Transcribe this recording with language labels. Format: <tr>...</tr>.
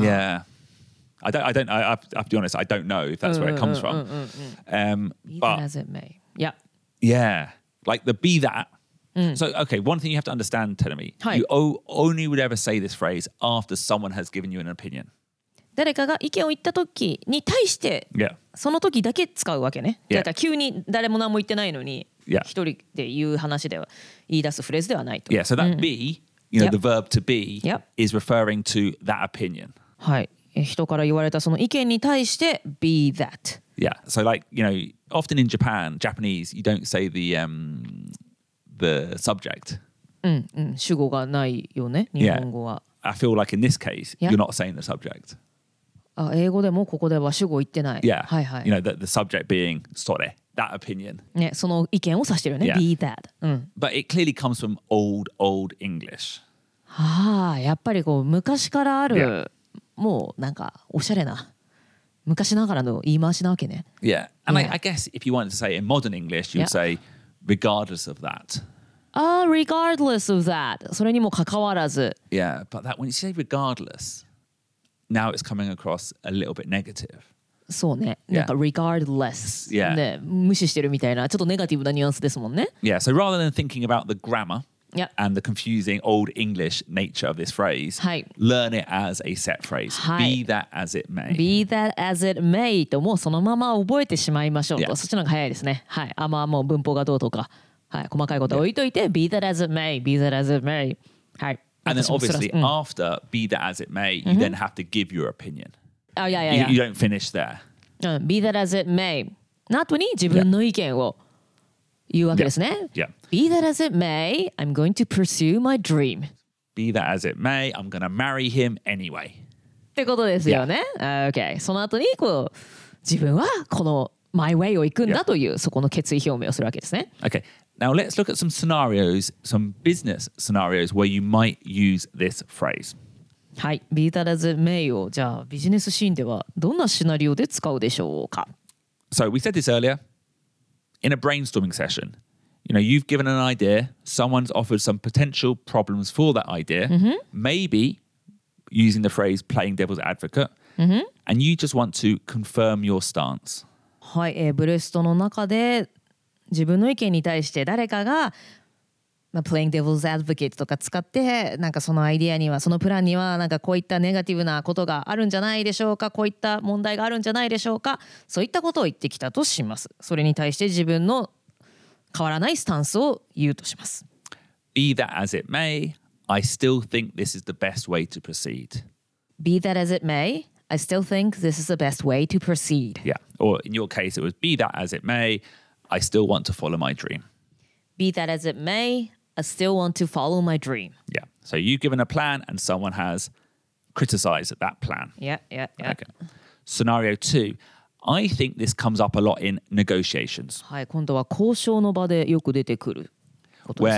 <en>Yeah, I have to be honest, I don't know if that's where it comes from. Even as it may. Yeah. Yeah. Like the be that. So, okay, one thing you have to understand, Terumi, you only would ever say this phrase after someone has given you an opinion.</en> <ja>誰かが意見を言った時に対して、</ja> <en>yeah.</en> <ja>その時だけ使うわけね。</ja> <en>Yeah.</en> <ja>だから急に誰も何も言ってないのに、</ja> <en>yeah.</en> <ja>一人で言う話では言い出すフレーズではないと。</ja> <en>Yeah, so that be, you know, the verb to be is referring to that opinion.</en> <ja>はい。人から言われたその意見に対して</ja> <en>be that. Yeah, so like, you know, often in Japan, Japanese, you don't say the subject.</en> <ja>うんうん、主語がないよね、日本語は。</ja> <en>Yeah. I feel like in this case, you're not saying the subject.</en> <ja>あ、英語でもここでは主語言ってない。</ja> <en>Yeah.</en> <ja>はいはい。</ja> <en>You know, the subject being</en> <ja>それ</ja> <en>that opinion.</en> <ja>ね、その意見を指してるね。</ja> <en>Yeah. Be that.、うん、 But it clearly comes from old, old English.</en> <ja>はあ、やっぱりこう昔からある、yeah. もうなんかおしゃれな昔ながらの言い回しなわけね。</ja> <en>Yeah. And yeah. I guess if you wanted to say in modern English, you'd say regardless of that. Regardless of that. それにもかかわらず。 Yeah. But that when you say regardless,Now it's coming across a little bit negative.</en> <ja>そうね。なんか regardless.</ja> <en>Yeah.</en> <ja>ね、無視してるみたいな、ちょっとネガティブなニュアンスですもんね。</ja> <en>Yeah, so rather than thinking about the grammar、 yep. and the confusing old English nature of this phrase,、はい、 learn it as a set phrase.、はい、 Be that as it may. Be that as it may.</en> <ja>ともうそのまま覚えてしまいましょうと。Yeah. そっちの方が早いですね。はい。あ、まあもう文法がどうとか、はい、細かいこと置いといて、yeah.</ja> <en>Be that as it may.</en> <ja>Be that as it may. はい。</ja> <en>And then obviously after be that as it may, you then have to give your opinion. Oh, yeah, yeah, yeah. You don't finish there. Be that as it may.</en> <ja>の後に自分の意見を言うわけですね。</ja> <en>Yeah. Yeah. Be that as it may, I'm going to pursue my dream. Be that as it may, I'm going to marry him anyway.</en> <ja>ってことですよね。Yeah. Okay. その後にこう自分はこの my way を行くんだというそこの決意表明をするわけですね。</ja> <en>Okay. Now let's look at some scenarios, some business scenarios where you might use this phrase. はい、 be that as it may を、じゃあビジネスシーンではどんなシナリオで使うでしょうか? So we said this earlier, in a brainstorming session, you know, you've given an idea, someone's offered some potential problems for that idea,、 mm-hmm. maybe using the phrase playing devil's advocate,、 mm-hmm. and you just want to confirm your stance.</en> <ja>はい、ブレストの中で自分の意見に対して誰かが、まあ、</ja> <en>playing devil's advocate</en> <ja>とか使ってなんかそのアイディアにはそのプランにはなんかこういったネガティブなことがあるんじゃないでしょうかこういった問題があるんじゃないでしょうかそういったことを言ってきたとしますそれに対して自分の変わらないスタンスを言うとします</ja> <en>Be that as it may, I still think this is the best way to proceed Be that as it may, I still think this is the best way to proceed Yeah, or in your case it was be that as it mayI still want to follow my dream. Be that as it may, I still want to follow my dream. Yeah. So you've given a plan and someone has criticized that plan. Yeah, yeah, yeah. Okay. Scenario two. I think this comes up a lot in negotiations.</en> <ja>はい、今度は交渉の場でよく出てくることですね。</ja>